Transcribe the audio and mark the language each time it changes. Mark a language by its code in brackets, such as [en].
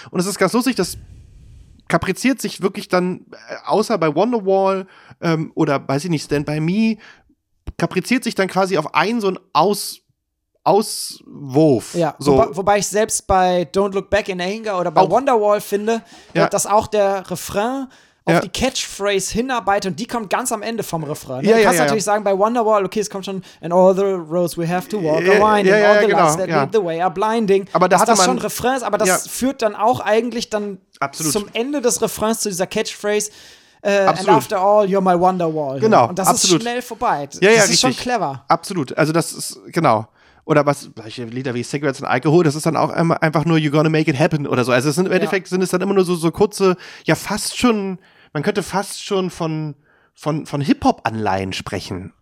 [de] Und es ist ganz lustig, das kapriziert sich wirklich dann, außer bei Wonderwall, oder weiß ich nicht, Stand By Me, kapriziert sich dann quasi auf einen so einen Auswurf. Ja, so. Wobei ich selbst bei Don't Look Back in Anger oder bei Wonderwall finde, ja, dass auch der Refrain auf die Catchphrase hinarbeitet und die kommt ganz am Ende vom Refrain. Ne? Ja, du kannst natürlich sagen, bei Wonderwall, okay, es kommt schon, [en] and all the roads we have to walk are winding, all the lights that lead the way are blinding. [de] Aber da hatte man schon Refrains, aber das führt dann auch eigentlich dann zum Ende des Refrains zu dieser Catchphrase, [en] and after all, you're my Wonderwall. [de] Genau, und das ist schnell vorbei. Ja, das ist schon clever. Absolut, also das ist, genau. Oder was, Lieder wie Cigarettes und Alkohol, das ist dann auch einfach nur You're Gonna Make It Happen oder so. Also es sind im Endeffekt sind es dann immer nur so kurze, ja fast schon, man könnte fast schon von Hip-Hop-Anleihen sprechen.